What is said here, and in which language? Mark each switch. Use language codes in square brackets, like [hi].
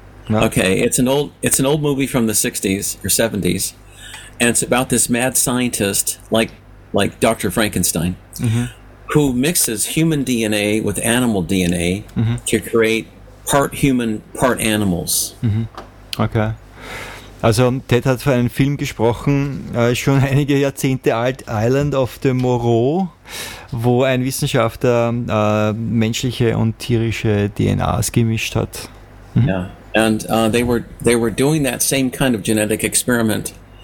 [en] Okay, it's an old movie from the 60s or 70s, and it's about this mad scientist, like Dr. Frankenstein, mm-hmm. who mixes human DNA with animal DNA mm-hmm. to create part human, part animals. Mm-hmm. Okay. [de] Also Ted hat für einen Film gesprochen, schon einige Jahrzehnte alt, Island of the Moreau, wo ein Wissenschaftler menschliche und tierische DNAs gemischt hat. Mm-hmm. [en] Yeah, and they were doing that same kind of genetic experiment.